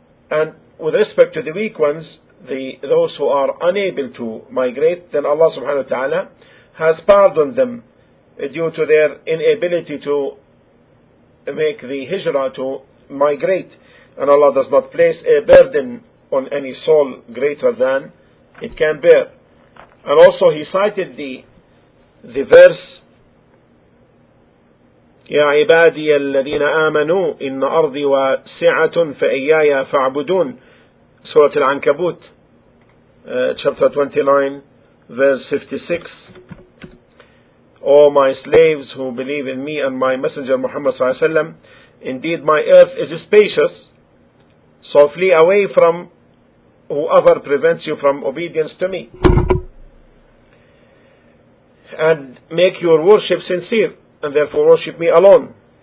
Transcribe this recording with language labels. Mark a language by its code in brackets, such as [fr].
[en] And with respect to the weak ones, those who are unable to migrate, then Allah subhanahu wa ta'ala has pardoned them due to their inability to make the hijrah to migrate. And Allah does not place a burden on any soul greater than it can bear. And also he cited the verse, [ar] يا عبادي الذين آمنوا إن أرضي واسعة فإياي فاعبدون. [en] سورة العنكبوت chapter 29 verse 56. O my slaves who believe in me and my messenger Muhammad [ar] صلى الله عليه وسلم, [en] indeed my earth is spacious, so flee away from whoever prevents you from obedience to me and make your worship sincere, and therefore worship me alone.